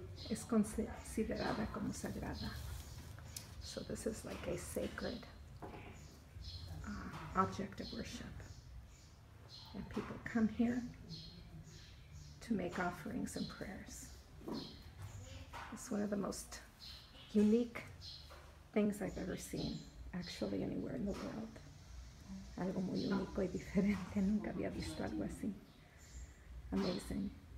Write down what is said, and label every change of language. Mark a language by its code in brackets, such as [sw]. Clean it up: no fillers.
[es] Es considerada como sagrada. [en] So this is like a sacred object of worship. And people come here to make offerings and prayers. It's one of the most unique things I've ever seen, actually anywhere in the world. [es] Algo muy único y diferente. Nunca había visto algo así. [en] Amazing.